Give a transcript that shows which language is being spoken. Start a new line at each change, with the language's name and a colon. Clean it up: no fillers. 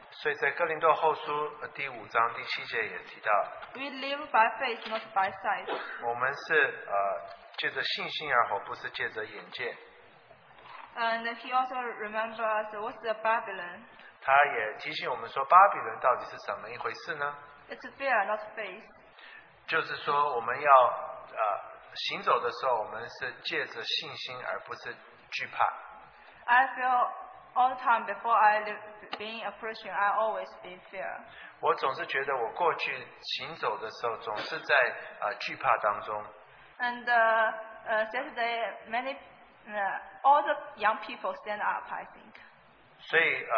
Chinese: 所以在哥林多后书第五章第七节也提到。
English: We live by faith, not by sight.
Chinese: 我们是借着信心而活，不是借着眼见。
English: And he also reminds us what's the Babylon.
Chinese: 他也提醒我们说，巴比伦到底是怎么一回事呢？
English: It's fear, not faith.
Chinese: 就是说我们要。行走的时候，我们是借着信心，而不是惧怕。
English: I feel all the time before I being a Christian, I always be fear.
Chinese: 我总是觉得我过去行走的时候，总是在惧怕当中。
English: And yesterday, many all the young people stand up, I think.